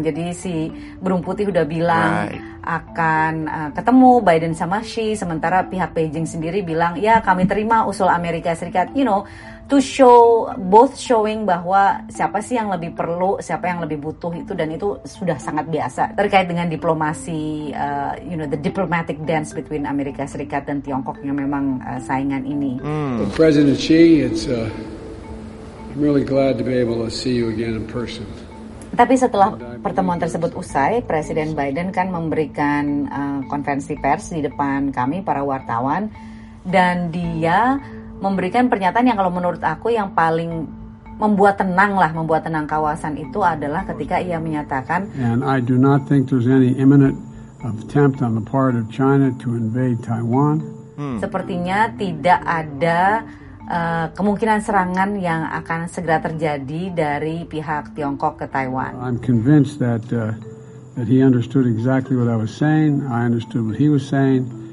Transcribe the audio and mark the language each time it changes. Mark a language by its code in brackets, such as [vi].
[id] Jadi si Burung Putih udah bilang akan ketemu Biden sama Xi, sementara pihak Beijing sendiri bilang, ya kami terima usul Amerika Serikat, [en] you know, to show, both showing [id] bahwa siapa sih yang lebih perlu, siapa yang lebih butuh itu, dan itu sudah sangat biasa terkait dengan diplomasi, [en] you know, the diplomatic dance between [id] Amerika Serikat dan Tiongkok yang memang saingan ini. [en] President Xi, I'm really glad to be able to see you again in person. [id] Tapi setelah pertemuan tersebut usai, Presiden Biden kan memberikan konferensi pers di depan kami para wartawan, dan dia memberikan pernyataan yang kalau menurut aku yang paling membuat tenang lah, membuat tenang kawasan itu adalah ketika ia menyatakan, [en] and I do not think there's any imminent attempt on the part of China to invade Taiwan. [id] Sepertinya tidak ada kemungkinan serangan yang akan segera terjadi dari pihak Tiongkok ke Taiwan. [en] I'm convinced that that he understood exactly what I was saying. I understood what he was saying.